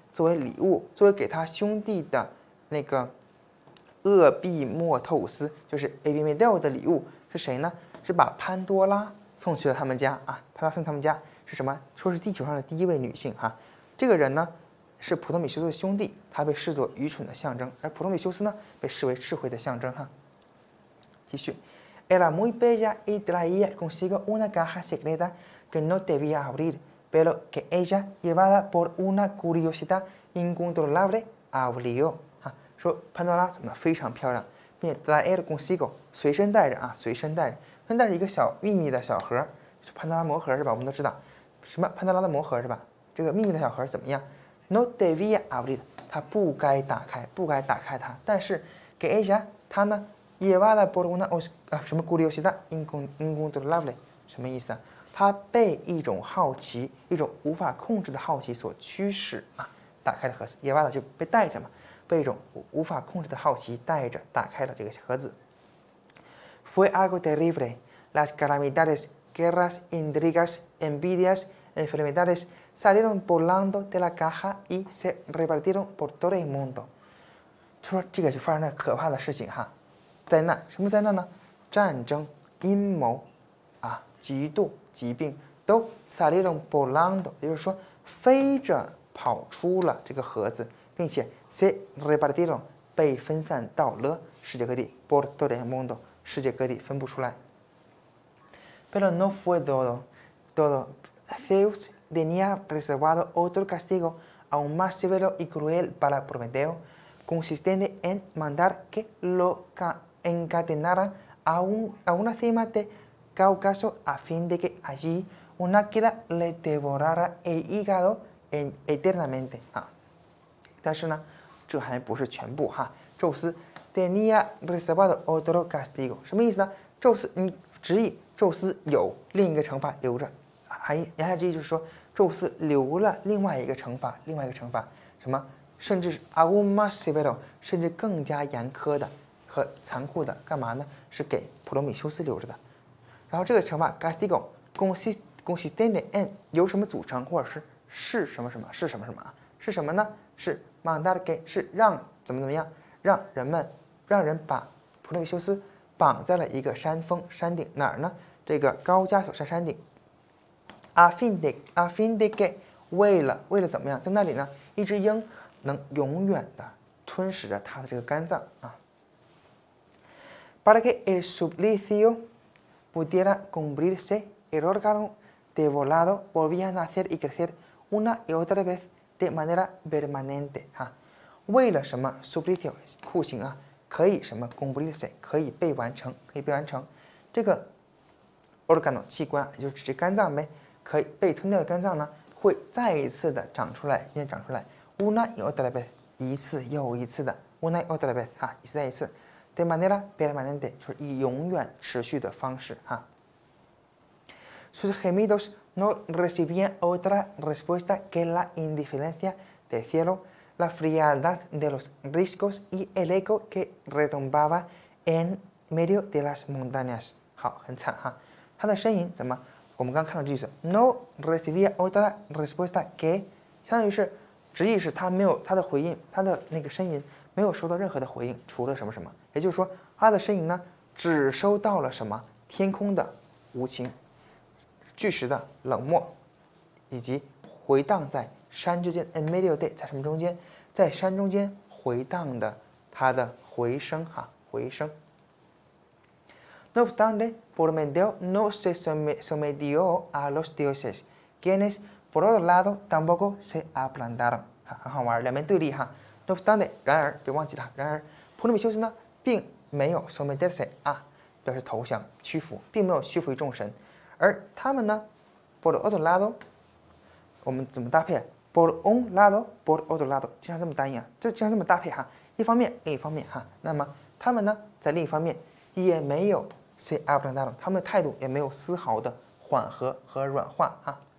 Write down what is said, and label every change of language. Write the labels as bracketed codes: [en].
[zh] 作为礼物，作为给他兄弟的那个厄庇莫特伍斯，就是 Epimeteo 的礼物是谁呢？是把潘多拉送去了他们家啊！潘多拉送他们家是什么？说是地球上的第一位女性哈、啊。这个人呢是普罗米修斯的兄弟，他被视作愚蠢的象征，而普罗米修斯呢被视为智慧的象征哈。继续 [es] ，era muy bella y traía consigo una caja secreta que no debía abrir, pero que ella, llevada por una curiosidad incontrolable, abrió. [zh] 哈，说潘多拉怎么非常漂亮，并且 [es] traía consigo [zh] 随身带着啊，随身带着一个小秘密的小盒，是潘多拉魔盒是吧？我们都知道，什么潘多拉的魔盒是吧？这个秘密的小盒怎么样 ？ [es] No debía abrir， [zh] 它不该打开，不该打开它。但是给 ella， 它呢？野外的波罗那欧啊，什么古里欧西达 ， [es] incontrolable， [zh] 什么意思啊？他被一种好奇，一种无法控制的好奇所驱使啊，打开了盒子。野外的就被带着嘛，被一种无法控制的好奇带着打开了这个盒子。 [es] Fue algo terrible. Las calamidades, guerras, intrigas, envidias, enfermedades salieron volando de la caja y se repartieron por todo el mundo. [zh] 他说这个就发生了可怕的事情哈。灾难，什么灾难呢？战争、阴谋，啊，嫉妒、疾病，都 [es] salieron volando， [zh] 也就是说飞着跑出了这个盒子，并且 [es] se repartieron [zh] 被分散到了世界各地 ， [es] por todo el mundo [zh] 世界各地分布出来。 [es] Pero no fue todo. Zeus tenía reservado otro castigo aún más severo y cruel para Prometeo, consistente en mandar que encadenaran a una cima de Cáucaso a fin de que allí un águila le devorara el hígado eternamente. [zh] 啊，但是呢，这还不是全部哈。宙斯 [es] tenía reservado otro castigo， [zh] 什么意思呢？宙斯，你执意，宙斯有另一个惩罚留着，言下之意就是说，宙斯留了另外一个惩罚，什么？甚至是 [es] aún más severo， [zh] 甚至更加严苛的。和残酷的干嘛呢？是给普罗米修斯留着的。然后这个惩罚 [es] castigo consistente en [zh] 由什么组成，或者是什么什么，是什么什么，是什么呢？是 [es] mandar que [zh] 是让怎么怎么样，让人们，让人把普罗米修斯绑在了一个山峰山顶，哪儿呢？这个高加索山山顶。 [es] Affinde que [zh] 为了怎么样，在那里呢？一只鹰能永远的吞噬着它的这个肝脏啊。 [es] Para que el suplicio pudiera cumplirse, el órgano devorado volvía a nacer y crecer una y otra vez de manera permanente. [zh] 啊，为了什么 suplicio 酷刑啊，可以什么 cumplirse 可以被完成。这个 órgano 器官就是指肝脏呗，可以被吞掉的肝脏呢，会再一次的长出来，也长出来。 [es] una y otra vez [zh] 一次又一次的 una y otra vez 啊，一次再一次。 [es] de manera permanente [zh] 就是以永远持续的方式哈。 [es] Sus gemidos no recibían otra respuesta que la indiferencia del cielo, la frialdad de los riscos y el eco que retumbaba en medio de las montañas. [zh] 好，很惨哈。他的声音怎么？我们刚看到这句子 ， [es] no recibía otra respuesta que， [zh] 相当于是直译是他没有他的回应，他的那个声音没有收到任何的回应，除了什么什么。也就是说他的身影呢只收到了什么天空的无情巨石的冷漠以及回荡在山之间 immediately 在什么中间在山中间回荡的他的回声哈回声。 [es] No obstante, Pormenteo no se sometió a los dioses, quienes por otro lado tampoco se aplantaron. [zh] 很好玩，两边对立哈。 [es] No obstante, [zh] 然而别忘记了，然而普罗米修斯呢并没有 someterse 啊，表示投降屈服，并没有屈服于众神，而他们呢 ， [es] por otro lado， [zh] 我们怎么搭配 ？ [es] por un lado，por otro lado， [zh] 经常这么单音啊，就经常这么搭配哈，一方面，另一方面哈，那么他们呢，在另一方面也没有 [es] se abandonaron， [zh] 他们的态度也没有丝毫的缓和和软化哈。